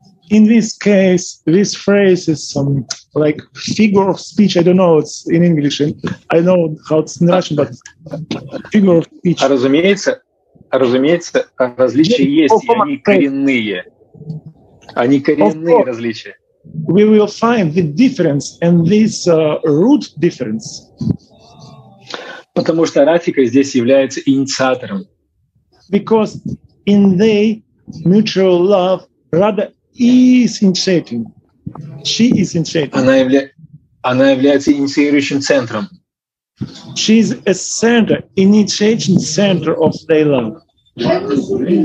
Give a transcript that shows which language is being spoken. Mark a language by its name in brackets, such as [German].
[English] In this case, this phrase is some like figure of speech. I don't know it's in English. I know how it's in Russian, but figure of speech. [Russian] Разумеется, различия есть, и они коренные различия. [English] We will find the difference and this root difference. [Russian] Потому что Радхика здесь является инициатором. [English] Because in the mutual love, Radha is initiating. She is initiating. [Russian] Она является инициирующим центром. [English] She is a center, initiation center of the love.